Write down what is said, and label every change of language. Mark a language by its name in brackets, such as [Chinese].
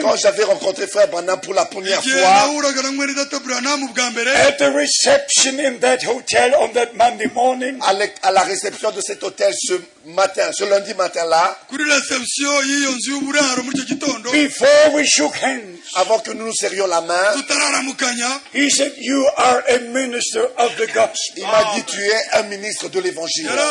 [French] quand j'avais rencontré Frère Branham pour la première fois, [English] at the reception in that hotel on that Monday morning, [French] à la réception de cet hôtel ce matin, ce lundi matin là, [English] before we shook hands, [French] avant que nous nous serrions la main, [English] he said, you are a minister of the gospel. [French] Il m'a dit, tu es un ministre de l'évangile.